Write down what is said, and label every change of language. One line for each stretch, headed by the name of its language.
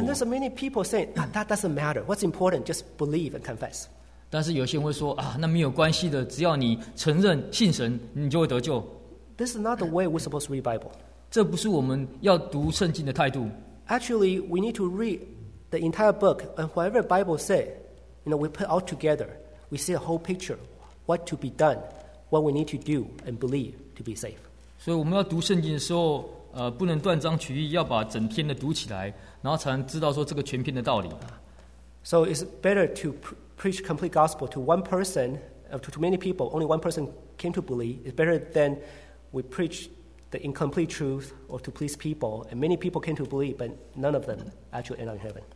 English: And there's many people saying that doesn't matter. What's important? Just believe and confess.
Chinese: 但是有些人会说那没有关系的，只要你承认信神，你就会得救。
English: This is not the way we're supposed to read Bible.
Chinese: 这不是我们要读圣经的态度。
English: Actually, we need to read the entire book and whatever Bible says. You know, we put all together, we see a whole picture, what to be done, what we need to do and believe to be safe.
Chinese: 所以我们要读圣经的时候，不能断章取义，要把整篇的读起来，然后才能知道说这个全篇的道理。
English: So it's better to preach complete gospel to one person, to many people. Only one person came to believe. It's better than we preach. The incomplete truth, or to please people, and many people came to believe, but none of them actually end up in heaven.